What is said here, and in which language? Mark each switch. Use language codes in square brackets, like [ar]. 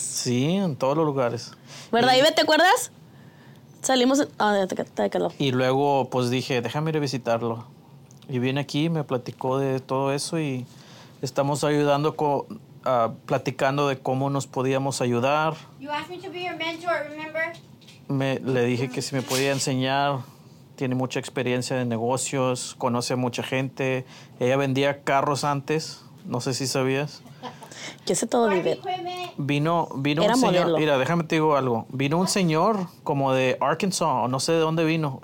[es] Sí, en todos los lugares. ¿Verdad, Ivette? ¿Te acuerdas? Salimos en... te quedó. Y luego, pues dije, déjame ir a visitarlo. Y vine aquí, me platicó de todo eso y estamos ayudando, platicando de cómo nos podíamos ayudar. [en] You asked me to be your mentor, remember? [es] Le dije que si me podía enseñar. Tiene mucha experiencia de negocios, conoce a mucha gente. Ella vendía carros antes, no sé si sabías. ¿Qué hace todo, Ivette? Vino era un modelo. Señor. Mira, déjame te digo algo. Vino un señor como de Arkansas, no sé de dónde vino.